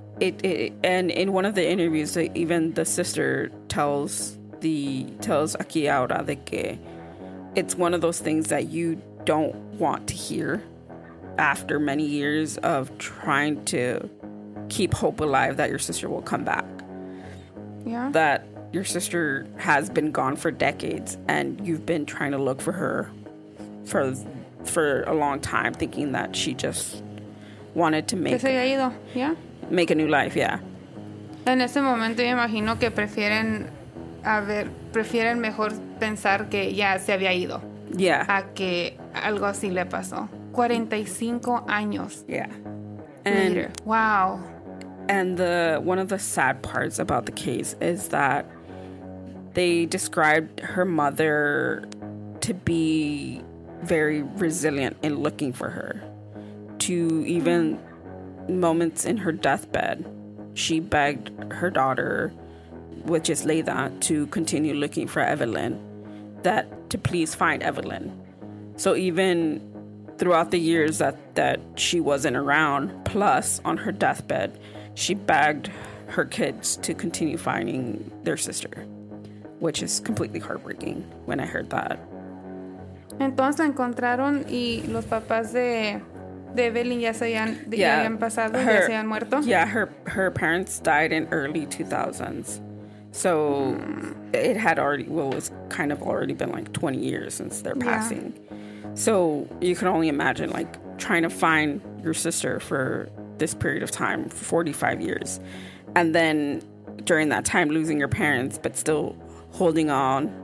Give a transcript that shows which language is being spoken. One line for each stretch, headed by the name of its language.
English: It and in one of the interviews, even the sister tells aquí ahora de que it's one of those things that you don't want to hear after many years of trying to keep hope alive that your sister will come back. Yeah. That your sister has been gone for decades and you've been trying to look for her for a long time, thinking that she just wanted to make
Spanish: que se haya ido. Yeah.
English: Make a new life, yeah.
Spanish: En ese momento yo imagino que prefieren a ver, prefieren mejor pensar que ya se había ido.
English: Yeah.
Spanish: A que algo así le pasó. 45 años.
English: Yeah. And later. Wow. And the one of the sad parts about the case is that they described her mother to be very resilient in looking for her. To even moments in her deathbed, she begged her daughter, which is Leda, to continue looking for Evelyn, that to please find Evelyn. So even throughout the years that she wasn't around, plus on her deathbed, she begged her kids to continue finding their sister, which is completely heartbreaking when I heard that.
Spanish: Entonces encontraron y los papás de Evelyn ya se habían, ya habían pasado, her, ya se habían muerto.
English: Yeah, her parents died in early 2000s. So it had already, well, it was kind of already been like 20 years since their passing. Yeah. So you can only imagine, like, trying to find your sister for this period of time, 45 years. And then during that time, losing your parents, but still holding on